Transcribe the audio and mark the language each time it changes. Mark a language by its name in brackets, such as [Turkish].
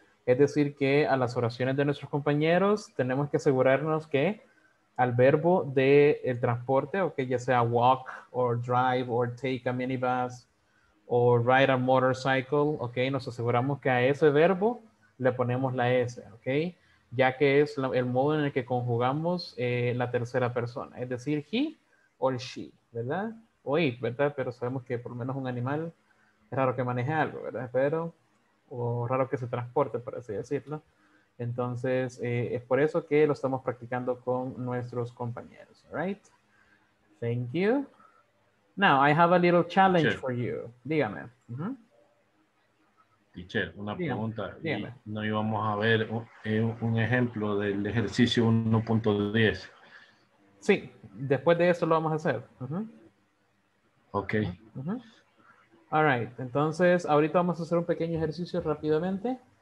[Spanish] Es decir, que a las oraciones de nuestros compañeros tenemos que asegurarnos que al verbo del transporte, o que ya sea [English] walk, or drive, or take a minibus, [Spanish] o [English] ride a motorcycle, [Spanish] ok, nos aseguramos que a ese verbo le ponemos la S, ok, ya que es el modo en el que conjugamos la tercera persona, es decir, he o she, ¿verdad? O it, ¿verdad? Pero sabemos que por lo menos un animal es raro que maneje algo, ¿verdad? Pero, o raro que se transporte, por así decirlo. Entonces, es por eso que lo estamos practicando con nuestros compañeros, [English] all right? Thank you. Now, I have a little challenge for you. [Spanish] Dígame. Uh-huh. Teacher, una dígame, pregunta. Dígame. No íbamos a ver un ejemplo del ejercicio 1.10. Sí, después de eso lo vamos a hacer. Uh-huh. Ok. Uh-huh. [English] All right, [Spanish] entonces, ahorita vamos a hacer un pequeño ejercicio rápidamente.